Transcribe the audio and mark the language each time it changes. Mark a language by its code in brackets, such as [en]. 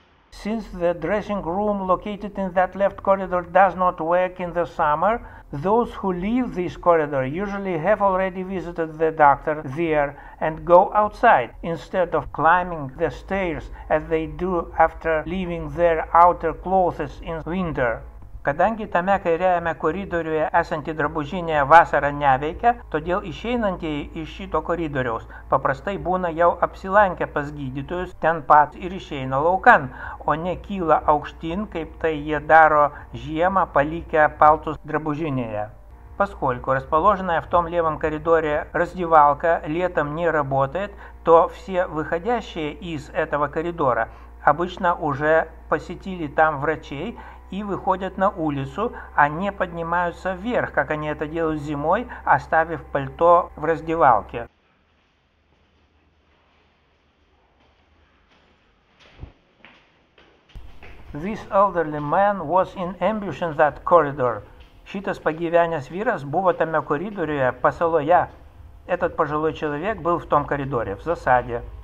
[en] Since the dressing room located in that left corridor does not work in the summer, those who leave this corridor usually have already visited the doctor there and go outside, instead of climbing the stairs as they do after leaving their outer clothes in winter. [lt] Kadangi tame kairiajame koridoriuje esanti drabužinė vasarą neveikia, todėl išeinantieji iš šito koridoriaus paprastai būna jau apsilankę pas gydytojus ten pat ir išeina laukan, o ne kyla aukštyn, kaip tai jie daro žiemą palikę paltus drabužinėje. [ru] Поскольку расположенная в том левом коридоре раздевалка летом не работает, то все выходящие из этого коридора обычно уже посетили там врачей и выходят на улицу, а не поднимаются вверх, как они это делают зимой, оставив пальто в раздевалке. [en] This elderly man was in ambush in that corridor. [lt] Šitas pagyvenęs vyras buvo tame koridoriuje, pasaloje. [ru] Этот пожилой человек был в том коридоре, в засаде.